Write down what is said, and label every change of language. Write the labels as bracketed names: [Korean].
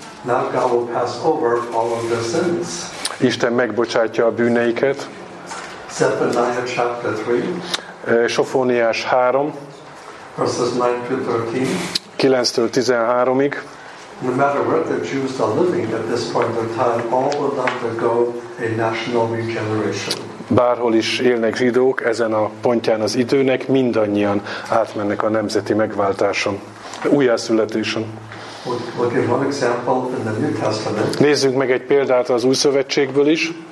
[English] Now God will pass over all of their sins. [Hungarian] Isten megbocsátja a bűneiket. [English] Zephaniah chapter 3. [Hungarian] Sofóniás 3. [English] Verses 9-13. [Hungarian] 9-13-ig. [English] No matter where the Jews are living at this point of time, all will undergo a national regeneration. [Hungarian] Bárhol is élnek zsidók, ezen a pontján az időnek mindannyian átmennek a nemzeti megváltáson, újjászületésen. [English] We'll give one example in the New Testament. [Hungarian] Nézzünk meg egy példát az Új Szövetségből is.